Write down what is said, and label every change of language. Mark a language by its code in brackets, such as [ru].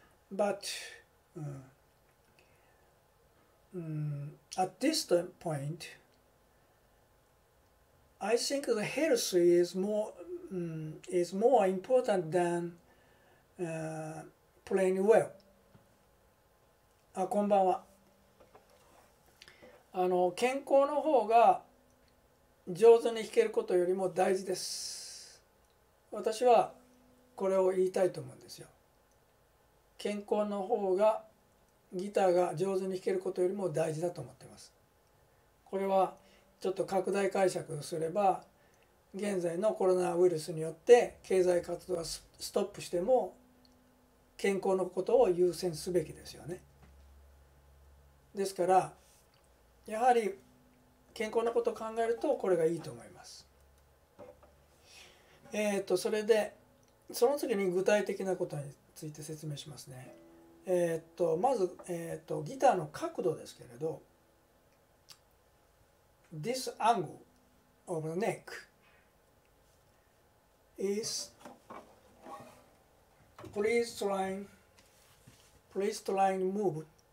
[en] But、at this point, I think the health is more important than playing well. [ja] あ、こんばんは。あの、健康の方が上手に弾けることよりも大事です。私はこれを言いたいと思うんですよ。健康の方がギターが上手に弾けることよりも大事だと思ってます。これはちょっと拡大解釈すれば、現在のコロナウイルスによって経済活動がストップしても健康のことを優先すべきですよね。ですからやはり健康なことを考えるとこれがいいと思います。それでその次に具体的なことについて説明しますね。まず、ギターの角度ですけれど、 [en] This angle of the neck is please try to move